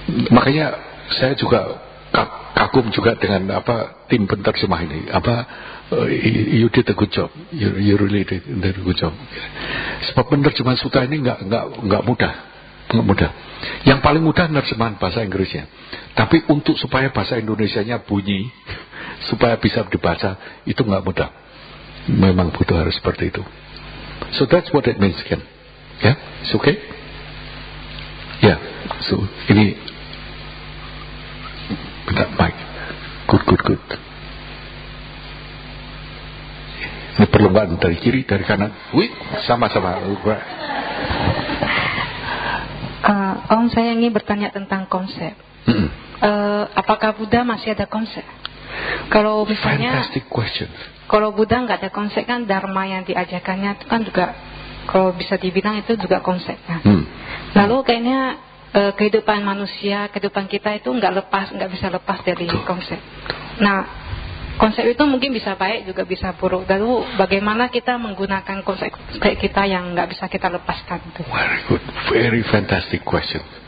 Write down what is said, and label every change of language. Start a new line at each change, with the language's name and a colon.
Indonesian: Makanya saya juga kagum juga dengan apa tim penterjemah ini.
English: Apa you did a good job. You really did a good job.
Indonesian: Sebab penerjemahan Sutra ini enggak mudah. Enggak mudah. Yang paling mudah penerjemahan bahasa Inggrisnya. Tapi untuk supaya bahasa Indonesianya bunyi supaya bisa dibaca itu enggak mudah. Memang butuh harus seperti itu.
English: So that's what it means again. Ya, yeah? It's okay? Ya. Yeah.
Indonesian: So ini tidak baik.
English: Good.
Indonesian: Ini perlombaan dari kiri, dari kanan. Wih, sama-sama. Om, saya ingin bertanya tentang konsep. Apakah Buddha masih ada konsep? Kalau misalnya,
English: fantastic question.
Indonesian: Kalau Buddha enggak ada konsep kan, Dharma yang diajarkannya itu kan juga, kalau bisa dibilang itu juga konsep. Kan? Lalu kayaknya, kehidupan manusia, kehidupan kita itu enggak lepas, enggak bisa lepas dari konsep. Nah, konsep itu mungkin bisa baik juga bisa buruk. Lalu bagaimana kita menggunakan konsep kita yang enggak bisa kita lepaskan itu?
English: Very good, very fantastic question.